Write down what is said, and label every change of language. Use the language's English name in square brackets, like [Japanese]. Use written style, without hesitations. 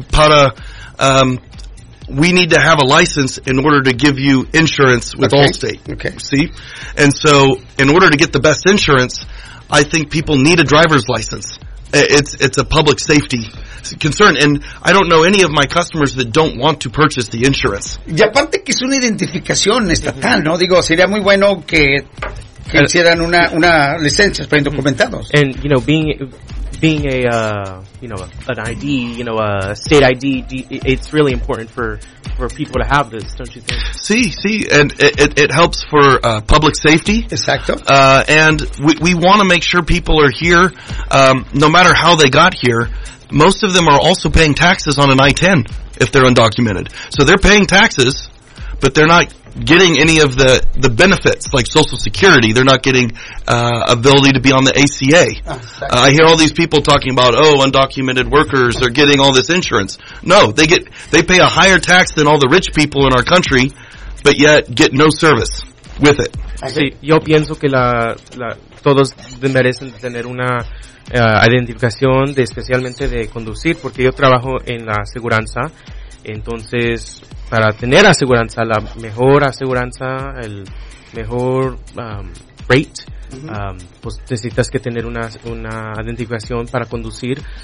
[English] Para, we need to have a license in order to give you insurance with Allstate. Okay. See, and so in order to get the best insurance, I think people need a driver's license. It's a public safety concern, and I don't know any of my customers that don't want to purchase the insurance. [Spanish] Y aparte que es una identificación estatal, ¿no? Digo, sería muy bueno que hicieran una licencia para indocumentados. [English] And you know, being a you know, an ID, you know, a state ID, it's really important for people to have this, don't you think? Sí, and it helps for public safety. [Spanish] Exacto. [English] And we want to make sure people are here, no matter how they got here. Most of them are also paying taxes on an I-10 if they're undocumented. So they're paying taxes, but they're not getting any of the benefits like Social Security. They're not getting ability to be on the ACA. I hear all these people talking about, oh, undocumented workers are getting all this insurance. No, they pay a higher tax than all the rich people in our country, but yet get no service with it. [Spanish] Sí, yo pienso que todos merecen tener una identificación, de especialmente de conducir, porque yo trabajo en la aseguranza. Entonces, para tener aseguranza, la mejor aseguranza, el mejor rate, pues necesitas que tener una identificación para conducir.